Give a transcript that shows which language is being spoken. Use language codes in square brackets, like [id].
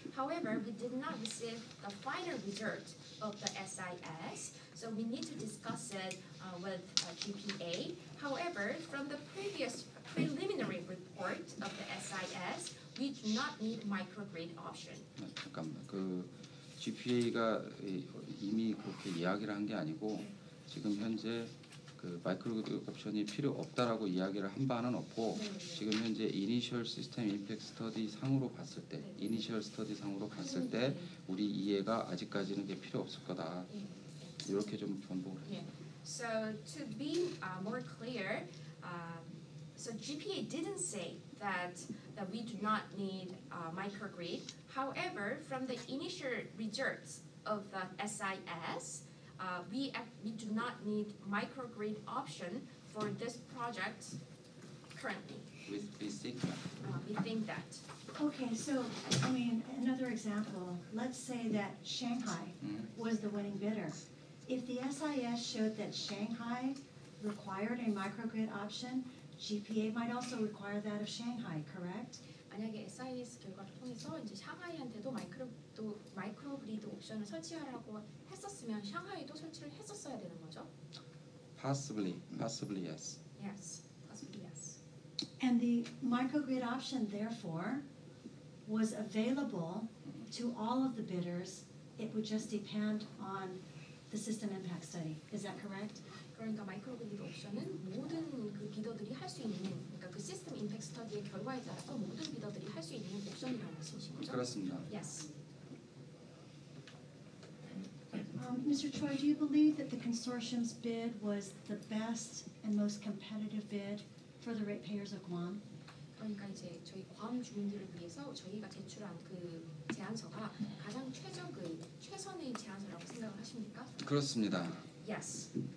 [en] However, we did not receive the final result of the SIS, so we need to discuss it with GPA. However, from the previous preliminary report of the SIS, we do not need microgrid option. [ko] 잠깐만, 그 GPA가 이미 그렇게 이야기를 한 게 아니고 지금 현재 그 마이크로그리드 옵션이 필요 없다라고 이야기를 한 바는 없고 네, 네. 지금 현재 이니셜 시스템 임팩트 스터디 상으로 봤을 때 네. 이니셜 스터디 상으로 봤을 네. 때 우리 이해가 아직까지는 게 필요 없을 거다 네. 이렇게 좀 전복을 네. [en] So to be more clear, So GPA didn't say that we do not need microgrid. However, from the initial results of the SIS, we do not need microgrid option for this project currently. We think that. Okay, so I mean, another example. Let's say that Shanghai was the winning bidder. If the SIS showed that Shanghai required a microgrid option, GPA might also require that of Shanghai, correct? [ko] 만약에 SIS 결과를 통해서 이제 샹하이한테도 마이크로그리드 옵션을 설치하라고 했었으면 샹하이도 설치를 했었어야 되는 거죠? [en] Possibly, yes. Yes, possibly yes. And the microgrid option, therefore, was available to all of the bidders. It would just depend on the system impact study. Is that correct? [ko] 그러니까 마이크로그리드 옵션은 모든 그 비더들이 할 수 있는 그러니까 그 시스템 임팩트 스터디의 결과에 따라서 모든 비더들이 할 수 있는 옵션이라고 말씀하신 거죠? 그렇습니다. [en] Yes. Mr. Choi, do you believe that the consortium's bid was the best and most competitive bid for the ratepayers of Guam? [ko] 그러니까 이제 저희 괌 주민들을 위해서 저희가 제출한 그 제안서가 가장 최선의 제안서라고 생각을 하십니까? 그렇습니다. [en] Yes.